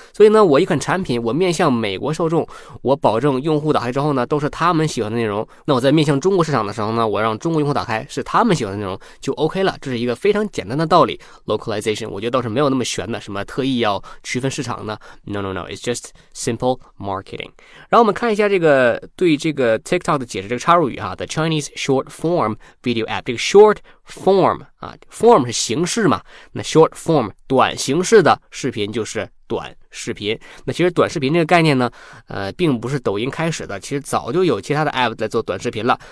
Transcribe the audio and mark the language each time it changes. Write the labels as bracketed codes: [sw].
[zh] 所以呢，我一款产品，我面向美国受众，我保证用户打开之后呢，都是他们喜欢的内容。那我在面向中国市场的时候呢，我让中国用户打开是他们喜欢的内容就 OK 了。这是一个非常简单的道理。Localization, 我觉得倒是没有那么悬的，什么特意要区分市场呢？ [en] No, it's just simple marketing. [zh] 然后我们看一下这个对这个 TikTok 的解释，这个插入语哈 , [en] The Chinese short form video app, [zh] 这个 short form,form 是形式嘛，那 short form 短形式的视频就是短视频。那其实短视频这个概念呢，并不是抖音开始的，其实早就有其他的 app 在做短视频了。